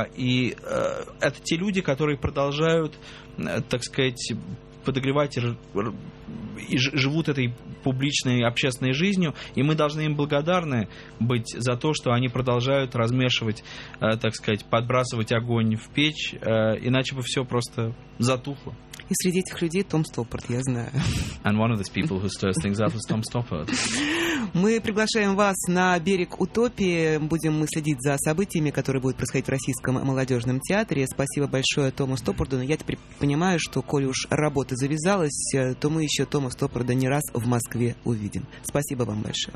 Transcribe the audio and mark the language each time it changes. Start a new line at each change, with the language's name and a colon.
Russian: И это те люди, которые продолжают, так сказать, подогревать и живут этой публичной общественной жизнью, и мы должны им благодарны быть за то, что они продолжают размешивать, так сказать, подбрасывать огонь в печь, иначе бы все просто затухло. И среди этих людей Том Стоппард, я знаю.
English: And one of these people who stirs things up is Tom Stoppard.
Russian: Мы приглашаем вас на берег утопии. Будем мы следить за событиями, которые будут происходить в Российском молодежном театре. Спасибо большое Тому Стоппарду. Но я теперь понимаю, что, коли уж работа завязалась, то мы еще Тома Стоппарда не раз в Москве увидим. Спасибо вам большое.